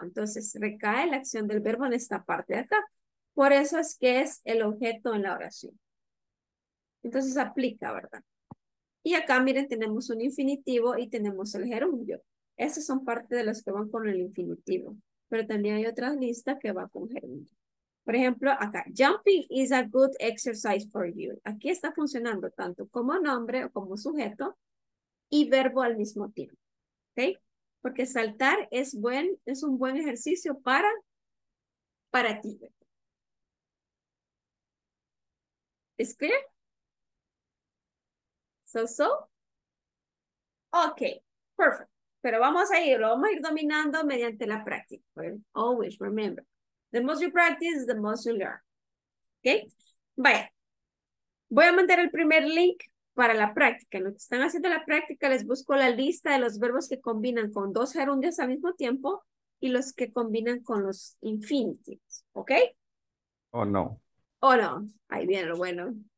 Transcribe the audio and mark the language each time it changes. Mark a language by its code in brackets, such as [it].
[es] Entonces, recae la acción del verbo en esta parte de acá. Por eso es que es el objeto en la oración. Entonces aplica, ¿verdad? Y acá, miren, tenemos un infinitivo y tenemos el gerundio. Esas son parte de las que van con el infinitivo. Pero también hay otra lista que va con gerundio. [en] Por ejemplo, acá, jumping is a good exercise for you. [es] Aquí está funcionando tanto como nombre o como sujeto y verbo al mismo tiempo. ¿Ok? Porque saltar es un buen ejercicio para ti. ¿Es clear? [en] So. Okay, perfect. [es] Pero vamos a ir, lo vamos a ir dominando mediante la práctica. [en] Right? Always remember, the most you practice, the most you learn. Okay? Vaya. [es] Voy a mandar el primer link para la práctica. En lo que están haciendo la práctica, les busco la lista de los verbos que combinan con dos gerundios al mismo tiempo y los que combinan con los infinitives. [en] Okay? Oh, no. [es] Oh, no. Ahí viene lo bueno.